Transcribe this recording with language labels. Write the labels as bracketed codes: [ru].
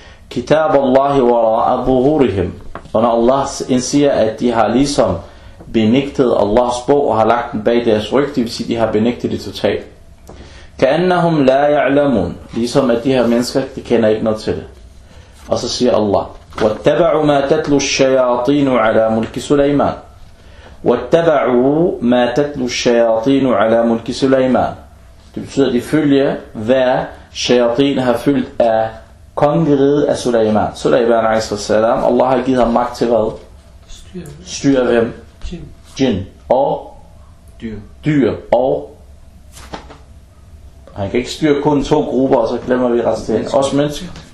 [ar] Kitab Allahi wa ra'a dhuhurihim. [da] Og når Allah indsiger, at de har ligesom benægtet Allahs bog og har lagt den bag deres ryg, det vil sige, at de har benægtet det totalt. [ar] Ka'annahum la ya'lamun. [da] Ligesom at de her mennesker, de kender ikke noget til det. Og så siger Allah, [ar] وَاتَّبَعُوا مَا تَتْلُوا الشَّيَاطِينُ عَلَى مُلْكِ سُلَيْمَانُ وَاتَّبَعُوا مَا تَتْلُوا الشَّيَاطِينُ عَلَى مُلْكِ سُلَيْمَانُ. [da] Det betyder, at de følger, hvad shayatin har fyldt af kongeriget af Sulaiman. Sulaiman a.s. Allah har givet ham magt til hvad? Styr af hvem? Jinn. Og? Dyr. Og? Han kan ikke styre kun to grupper, og så glemmer vi resten. Også mennesker.